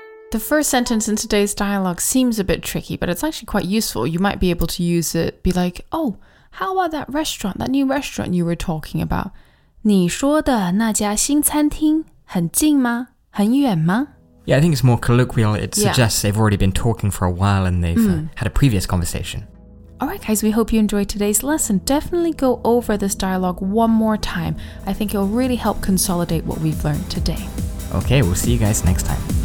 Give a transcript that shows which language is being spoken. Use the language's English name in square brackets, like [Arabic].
[English] The first sentence in today's dialogue seems a bit tricky, but it's actually quite useful. You might be able to use it, be like, oh, how about that restaurant, that new restaurant you were talking about? [Chinese] 你说的那家新餐厅很近吗?很远吗? [English] Yeah, I think it's more colloquial. It suggests they've already been talking for a while and they've had a previous conversation. All right, guys, we hope you enjoyed today's lesson. Definitely go over this dialogue one more time. I think it'll really help consolidate what we've learned today. Okay, we'll see you guys next time.